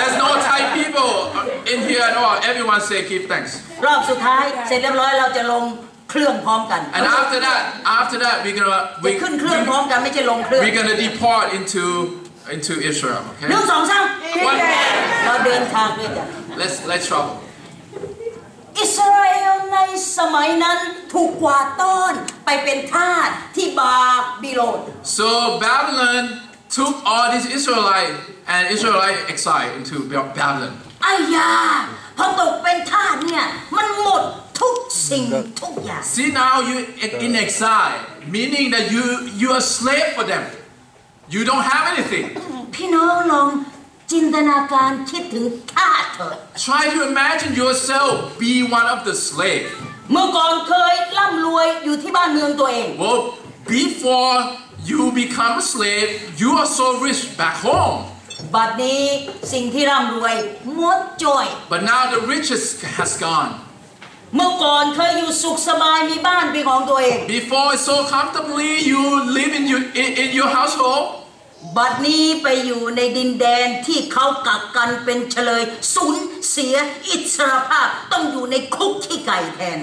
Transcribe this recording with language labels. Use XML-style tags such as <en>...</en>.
<en>There's no Thai people in here at all. Everyone say keep thanks.</en> <th>รอบสุดท้ายเสร็จเรียบร้อยเราจะลงเครื่องพร้อมกัน</th> <en>And after that we're gonna we</en> <th>ขึ้นเครื่องพร้อมกันไม่ใช่ลงเครื่อง</th> <en>We're gonna depart into Israel okay 1 2 3 1 2 3</en> <th>เราเดินทางด้วยกัน</th> <en>Let's travel</en> <th>อิสราเอลในสมัยนั้นถูกกวาดต้อนไปเป็นทาสที่บาบิโลน</th> <en>So Babylon took all these Israelites and Israelite exiled into Babylon</en> <th>อายาพอตกเป็นทาสเนี่ยมันหมดทุกสิ่งทุกอย่าง</th> <en>See now you in exile meaning that you are slave for them you don't have anything</en> <th>พี่น้องลองจินตนาการคิดถึงทาสเถอะ</th> <en>Try to imagine yourself be one of the slave</en> <th>เมื่อก่อนเคยร่ำรวยอยู่ที่บ้านเมืองตัวเอง</th> <en>Well before you become a slave you are so rich back home</en> <th>บัดนี้สิ่งที่ร่ำรวยหมดจอย</th> <en>But now the riches has gone</en> <th>เมื่อก่อนเคยอยู่สุขสบายมีบ้านเป็นของตัวเอง</th> <en>Before so comfortably you live in your household</en> <th>บัดนี้ไปอยู่ในดินแดนที่เขากักกันเป็นเชลยสูญเสียอิสรภาพต้องอยู่ในคุกที่ไก่แทน</th>